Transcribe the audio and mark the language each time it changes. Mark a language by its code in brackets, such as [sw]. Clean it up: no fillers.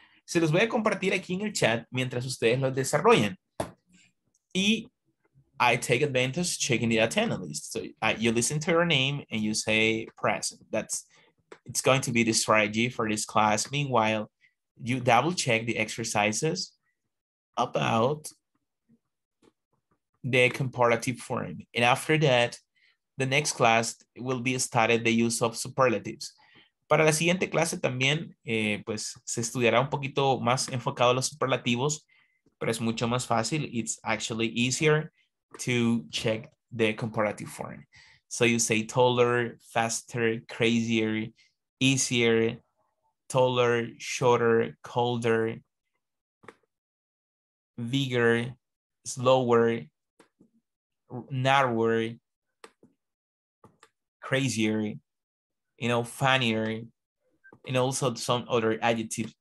[es] Se los voy a compartir aquí en el chat mientras ustedes lo desarrollan. [en] Y I take advantage checking the attendees. So you listen to your name and you say present. It's going to be the strategy for this class. Meanwhile, you double check the exercises about the comparative form. And after that, the next class will be started the use of superlatives. [es] Para la siguiente clase también, pues se estudiará un poquito más enfocado a los superlativos, pero es mucho más fácil. [en] It's actually easier to check the comparative form. So you say taller, faster, crazier, easier, taller, shorter, colder, bigger, slower, narrower, crazier, you know, funnier, and also some other adjectives.